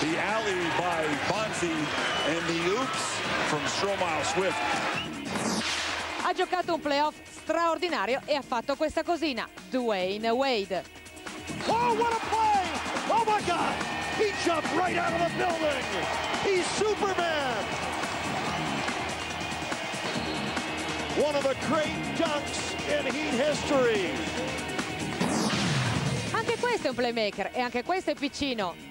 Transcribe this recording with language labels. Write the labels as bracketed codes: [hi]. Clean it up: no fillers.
[en] The alley by Bonzi and the oops from Stromae Swift. [it] Ha giocato un playoff straordinario e ha fatto questa cosina, Dwayne Wade. [en] Oh, what a play! Oh my God! He jumped right out of the building! He's Superman! One of the great dunks in Heat history! [it] Anche questo è un playmaker e anche questo è piccino.